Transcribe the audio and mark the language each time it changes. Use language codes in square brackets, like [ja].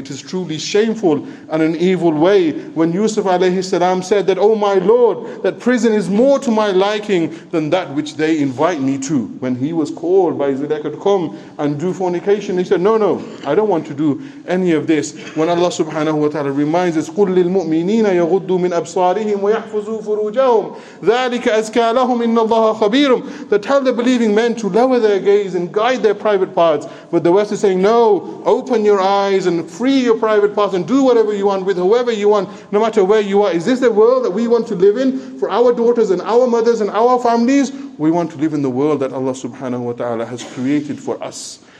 [en] It is truly shameful and an evil way. When Yusuf alayhi salam said that, oh my Lord, that prison is more to my liking than that which they invite me to. When he was called by Zulaikha to come and do fornication, he said, no, I don't want to do any of this. When Allah subhanahu wa ta'ala reminds us, [ar] قُلْ لِلْمُؤْمِنِينَ يَغُدُّوا مِنْ أَبْصَارِهِمْ وَيَحْفُزُوا فُرُوجَهُمْ ذَلِكَ أَزْكَى لَهُمْ إِنَّ اللَّهَ خَبِيرٌ. [en] They tell the believing men to lower their gaze and guide their private parts. But the West is saying, no, open your eyes and free your private parts and do whatever you want with whoever you want, no matter where you are. Is this the world that we want to live in for our daughters and our mothers and our families? We want to live in the world that Allah subhanahu wa ta'ala has created for us.